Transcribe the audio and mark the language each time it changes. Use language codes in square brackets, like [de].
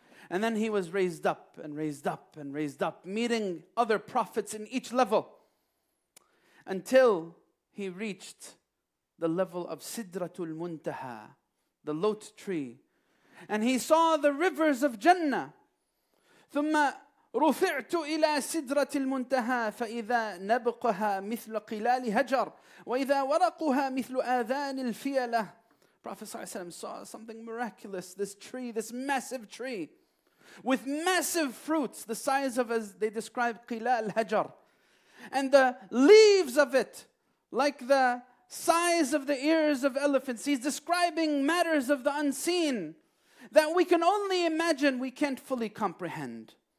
[en] And then he was raised up and raised up and raised up, meeting other prophets in each level until he reached the level of Sidratul Muntaha, the lotus tree. And he saw the rivers of Jannah. [ar] ثم رفعت إلى سدرة المنتهى فإذا نبقها مثل قلال هجر وإذا ورقها مثل آذان الفيلة. [en] Prophet صلى الله عليه وسلم saw something miraculous, this tree, this massive tree with massive fruits, the size of, as they describe, [ar] قلال هجر. [en] And the leaves of it, like the size of the ears of elephants. He's describing matters of the unseen that we can only imagine, we can't fully comprehend.